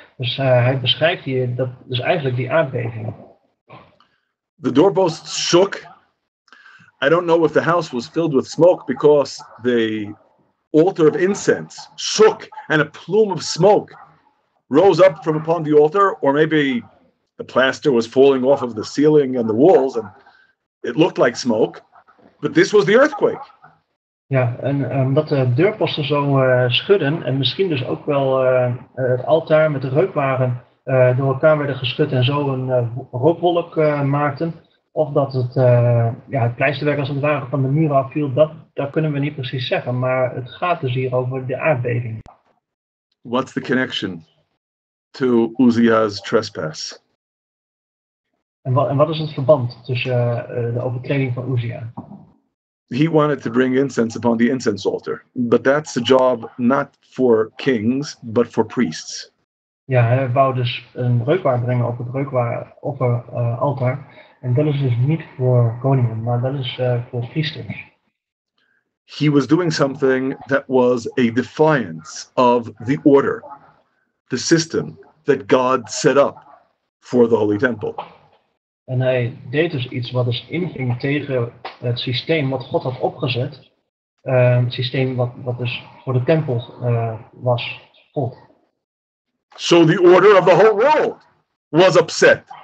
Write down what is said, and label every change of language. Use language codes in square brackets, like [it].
[nl] Dus hij beschrijft hier dat dus eigenlijk die aardbeving. [en] The doorposts shook. I don't know if the house was filled with smoke because the altar of incense shook and a plume of smoke rose up from upon the altar, or maybe the plaster was falling off of the ceiling and the walls and it looked like smoke, but this was the earthquake. [nl] Ja, en omdat de deurposten zo schudden en misschien dus ook wel het altaar met de reukwaren door elkaar werden geschud en zo een rookwolk maakten, of dat het, het pleisterwerk als het ware van de muur afviel, dat kunnen we niet precies zeggen, maar het gaat dus hier over de aardbeving. [en] What's the connection to Uzziah's trespass? [nl] En wat is het verband tussen de overtreding van Uzziah? [en] He wanted to bring incense upon the incense altar, but that's a job not for kings, but for priests. [nl] Ja, hij wou dus een reukwaar brengen op het reukwaaroffer altaar, en dat is dus niet voor koningen, maar dat is voor priesters. [en] He was doing something that was a defiance of the order, the system that God set up for the Holy Temple. [nl] En hij deed dus iets wat dus inging tegen het systeem wat God had opgezet. Het systeem wat dus voor de tempel was God. [en] So the order of the whole world was upset.